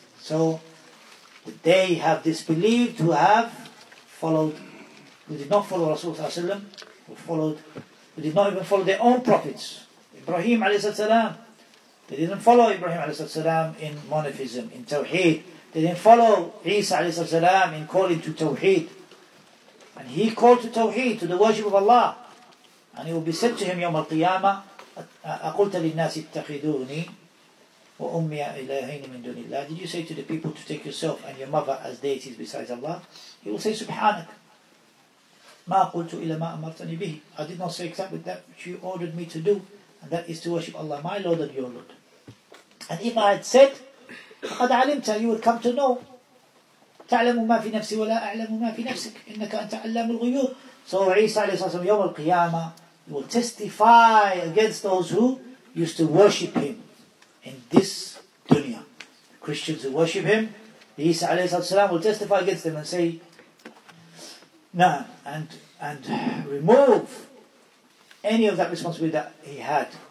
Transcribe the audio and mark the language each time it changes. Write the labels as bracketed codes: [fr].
[en] So they have disbelieved who have followed, who did not follow Rasul sallallahu alayhi wa sallam, who did not even follow their own prophets. Ibrahim alayhi salam, they didn't follow Ibrahim alayhi salam in monotheism, in tawheed. They didn't follow Isa alayhi salam in calling to tawheed. And he called to tawheed, to the worship of Allah. And it will be said to him, [ar] يوم القيامة, أقلت للناس اتخذوني وأمي إلهين من دون الله. [en] Did you say to the people to take yourself and your mother as deities besides Allah? He will say, [ar] سبحانك ما قلت إلا ما أمرتني به. [en] I did not say exactly that which you ordered me to do, and that is to worship Allah, my Lord and your Lord. And if I had said, [ar] فقد علمت, [en] you would come to know. [ar] تعلم ما في نفسي ولا أعلم ما في نفسك إنك أنت علام الغيوب. [en] So Isa alayhi salam, [ar] يوم القيامة, [en] will testify against those who used to worship him in this dunya. The Christians who worship him, Isa alayhi salam will testify against them and say, nah, and remove any of that responsibility that he had.